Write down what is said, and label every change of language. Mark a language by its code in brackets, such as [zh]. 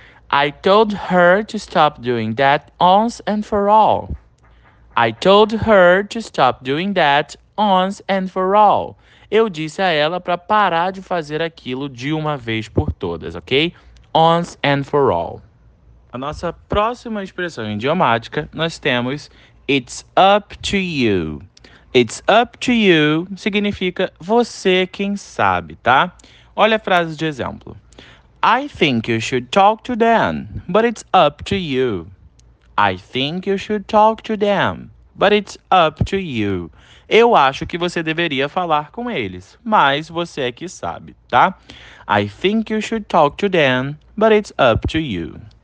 [en] I told her to stop doing that once and for all. I told her to stop doing that once and for all. [pt] Eu disse a ela para parar de fazer aquilo de uma vez por todas, ok? [en] Once and for all. [pt] A nossa próxima expressão idiomática, nós temos it's up to you. It's up to you significa você quem sabe, tá? Olha a frase de exemplo. [en] I think you should talk to them, but it's up to you. I think you should talk to them. But it's up to you. [pt] Eu acho que você deveria falar com eles, mas você é que sabe, tá? [en] I think you should talk to them, but it's up to you.